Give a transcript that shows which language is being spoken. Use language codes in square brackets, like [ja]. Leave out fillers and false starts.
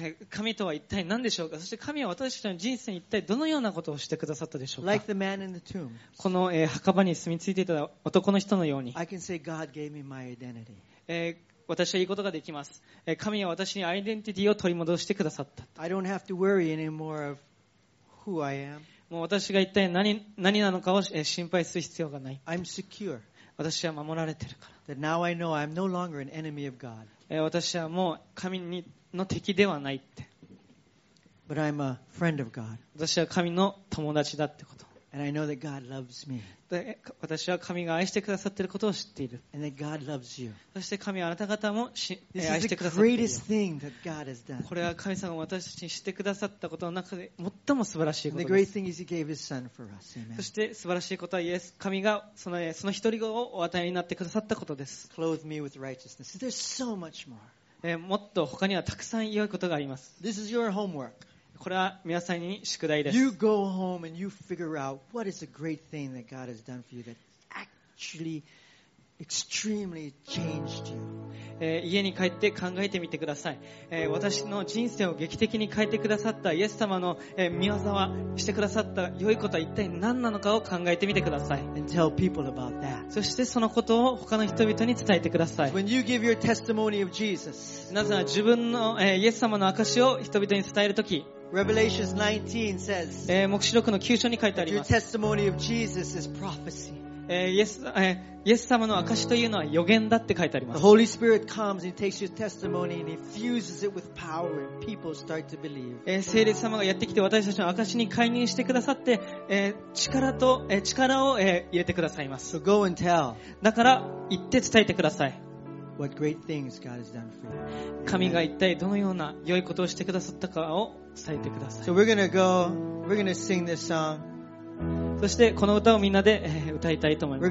[ja] 神とは一体何でしょうか？そして神は私たちの人生に一体どのようなことをしてくださったでしょうか？ [en] Like the man in the tomb. [ja] この、墓場に住み着いていた男の人のように。 [en] I can say God gave me my identity. [ja] 私は言うことができます。神は私にアイデンティティを取り戻してくださった。 [en] I don't have to worry anymore of who I am. [ja] もう私が一体 何なのかを心配する必要がない。 [en] I'm secure. [ja] 私は守られてるから。 [en] That now I know I'm no longer an enemy of God. [ja] 私はもう神の敵ではないって。 [en] But I'm a friend of God. [ja] 私は神の友達だってこと。 [en] And I know that God loves me. [ja] 私は神が愛してくださっていることを知っている。 [en] And that God loves you. [ja] そして神はあなた方も愛してくださっている。 [en] This is the greatest thing that God has done. [ja] これは神様が私たちに知ってくださったことの中で最も素晴らしいことです。 [en] The great thing is He gave His Son for us. Amen. [ja] そして素晴らしいことはイエス、神がその一人子をお与えになってくださったことです。 [en] Clothe me with righteousness. There's so much more. [ja] もっと他にはたくさん良いことがあります。 [en] This is your homework. [ja] これは皆さんに宿題です。 [en] You go home and you figure out what is the great thing that God has done for you that actually extremely changed you. [ja] 家に帰って考えてみてください。私の人生を劇的に変えてくださったイエス様の御業はしてくださった良いことは一体何なのかを考えてみてください。 [en] And tell people about that. [ja] そしてそのことを他の人々に伝えてください。 [en] When you give your testimony of Jesus. [ja] なぜなら自分のイエス様の証を人々に伝えるとき、 [en] Revelation 19 says, [ja] 黙示録の9章に書いてあります。 [en] Your testimony of Jesus is prophecy. [ja] イエス様の証というのは予言だって書いてあります。 [en] The Holy Spirit comes and takes your testimony and infuses it with power and people start to believe. [ja] 聖霊様がやってきて私たちの証に介入してくださって、力を、入れてくださいます。 [en] So go and tell. [ja] だから、行って伝えてください。 [en] What great things God has done for you. [ja] 神が一体どのような良いことをしてくださったかを伝えてください。 [en] So we're gonna go, we're gonna sing this song. [ja] そしてこの歌をみんなで歌いたいと思います。